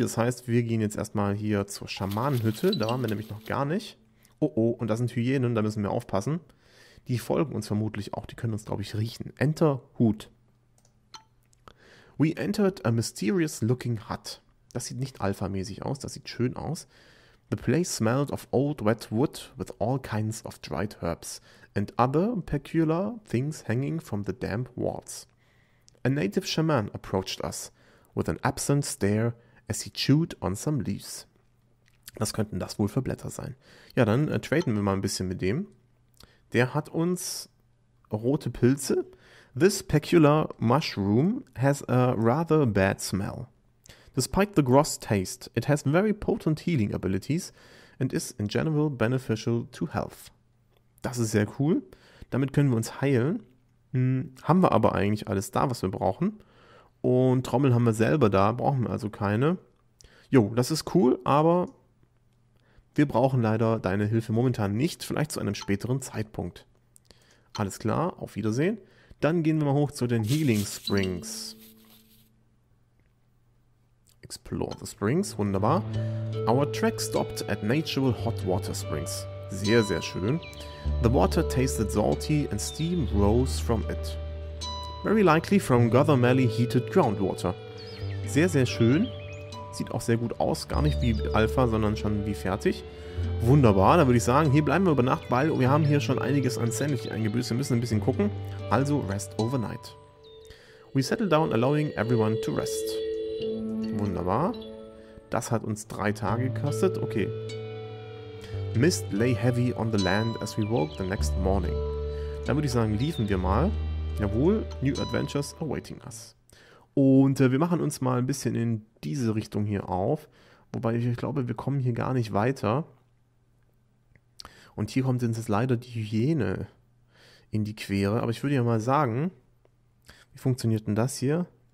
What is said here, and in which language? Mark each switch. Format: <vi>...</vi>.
<de>Das heißt, wir gehen jetzt erstmal hier zur Schamanenhütte. Da waren wir nämlich noch gar nicht. Oh oh, und da sind Hyänen. Da müssen wir aufpassen. Die folgen uns vermutlich auch. Die können uns, glaube ich, riechen.</de> <en>Enter Hut. We entered a mysterious looking hut.</en> <de>Das sieht nicht alpha-mäßig aus, das sieht schön aus.</de> <en>The place smelled of old wet wood with all kinds of dried herbs and other peculiar things hanging from the damp walls. A native shaman approached us with an absent stare as he chewed on some leaves.</en> <de>Was könnten das wohl für Blätter sein? Ja, dann traden wir mal ein bisschen mit dem. Der hat uns rote Pilze.</de> <en>This peculiar mushroom has a rather bad smell. Despite the gross taste, it has very potent healing abilities and is in general beneficial to health.</en> <de>Das ist sehr cool. damit können wir uns heilen. Haben wir aber eigentlich alles da, was wir brauchen. Und Trommel haben wir selber da, brauchen wir also keine. Jo, das ist cool, aber wir brauchen leider deine Hilfe momentan nicht, vielleicht zu einem späteren Zeitpunkt. Alles klar, auf Wiedersehen. Dann gehen wir mal hoch zu den Healing Springs.</de> <en>Explore the Springs,</en> <de>wunderbar.</de> <en>Our track stopped at natural hot water springs.</en> <de>Sehr, sehr schön.</de> <en>The water tasted salty and steam rose from it. Very likely from Gothamelli heated groundwater.</en> <de>Sehr, sehr schön. Sieht auch sehr gut aus. Gar nicht wie Alpha, sondern schon wie fertig. Wunderbar, dann würde ich sagen, hier bleiben wir über Nacht, weil wir haben hier schon einiges an Sanity eingebüßt. Wir müssen ein bisschen gucken. Also</de> <en>rest overnight. We settle down, allowing everyone to rest.</en> <de>Wunderbar. Das hat uns 3 Tage gekostet. Okay.</de> <en>Mist lay heavy on the land as we woke the next morning.</en> <de>Dann würde ich sagen, liefen wir mal. Jawohl,</de> <en>new adventures awaiting us.</en> <de>Und wir machen uns mal ein bisschen in diese Richtung hier auf. Wobei ich glaube, wir kommen hier gar nicht weiter. Und hier kommt uns jetzt leider die Hyäne in die Quere. Aber ich würde ja mal sagen, wie funktioniert denn das hier?</de>